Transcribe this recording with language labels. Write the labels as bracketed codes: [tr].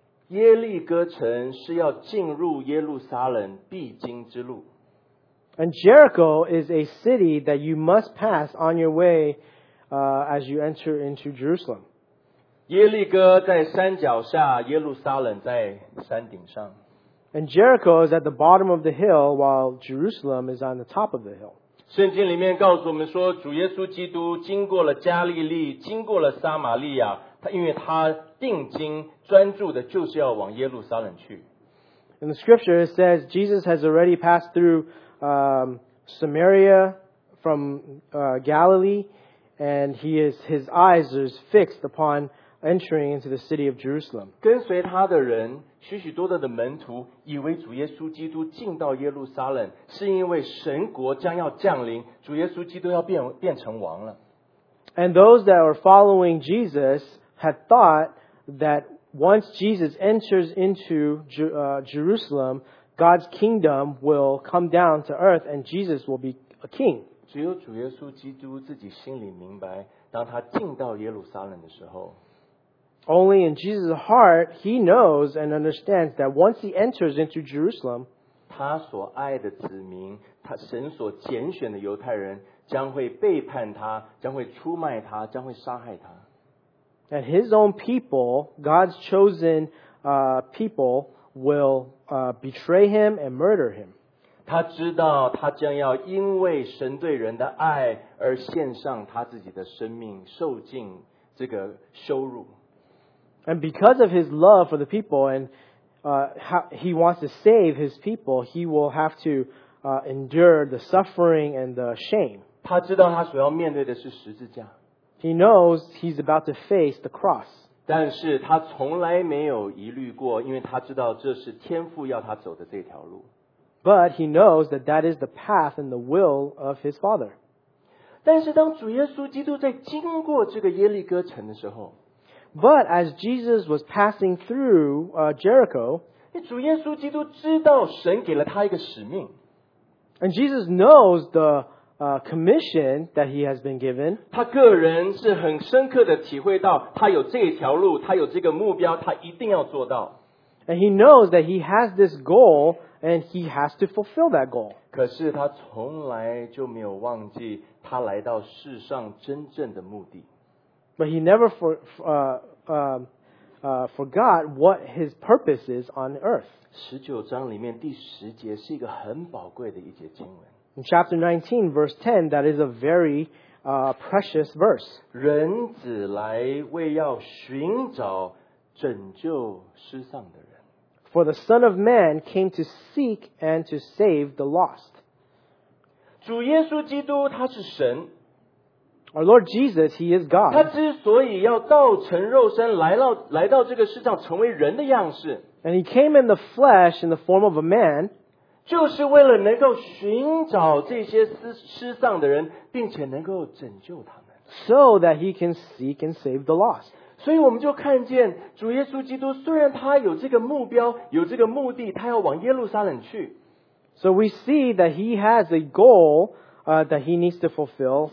[zh] 耶利哥城是要进入耶路撒冷必经之路。 [en] And Jericho is a city that you must pass on your way as you enter into Jerusalem. [zh] 耶利哥在山脚下，耶路撒冷在山顶上。 [en] And Jericho is at the bottom of the hill while Jerusalem is on the top of the hill. [zh] 圣经里面告诉我们说，主耶稣基督经过了加利利，经过了撒玛利亚，他因为他定睛专注的就是要往耶路撒冷去。 [en] In the scripture it says Jesus has already passed through Samaria from Galilee, and his eyes are fixed upon entering into the city of Jerusalem. [zh] 跟随他的人，许许多多的门徒以为主耶稣基督进到耶路撒冷是因为神国将要降临，主耶稣基督要 变成王了。 [en] And those that were following Jesus had thought thatOnce Jesus enters into Jerusalem, God's kingdom will come down to earth and Jesus will be a king. [zh] 只有主耶稣基督自己心里明白，当他进到耶路撒冷的时候。 [en] Only in Jesus' heart, he knows and understands that once he enters into Jerusalem, [zh] 他所爱的子民，他神所拣选的犹太人将会背叛他，将会出卖他，将会杀害他。 [en] And his own people, God's chosen people, will betray him and murder him. [zh] 他知道他将要因为神对人的爱而献上他自己的生命，受尽这个羞辱。 [en] And because of his love for the people and he wants to save his people, he will have to endure the suffering and the shame. [zh] 他知道他所要面对的是十字架。 [en] He knows he's about to face the cross. [zh] 但是他从来没有疑虑过，因为他知道这是天父要他走的这条路。 [en] But he knows that that is the path and the will of his Father. [zh] 但是当主耶稣基督在经过这个耶利哥城的时候， [en] But as Jesus was passing through Jericho, [zh] 主耶稣基督知道神给了他一个使命。 [en] And Jesus knows thecommission that he has been given. [zh] 他个人是很深刻的体会到他有这条路，他有这个目标，他一定要做到。 [en] And he knows that he has this goal and he has to fulfill that goal. [zh] 可是他从来就没有忘记他来到世上真正的目的。 [en] But he never forgot what his purpose is on earth. [zh] 十九章里面第十节是一个很宝贵的一节经文。 [en] In chapter 19, verse 10, that is a very precious verse. [zh] 人子来为要寻找拯救失丧的人。 [en] For the Son of Man came to seek and to save the lost. [zh] 主耶稣基督他是神。 [en] Our Lord Jesus, he is God. [zh] 他之所以要道成肉身来到这个世上成为人的样式。 [en] And he came in the flesh in the form of a man. [zh] 就是为了能够寻找这些失丧的人，并且能够拯救他们。 [en] So that he can seek and save the lost. [zh] 所以我们就看见主耶稣基督，虽然他有这个目标，有这个目的，他要往耶路撒冷去。 [en] So we see that he has a goal that he needs to fulfill.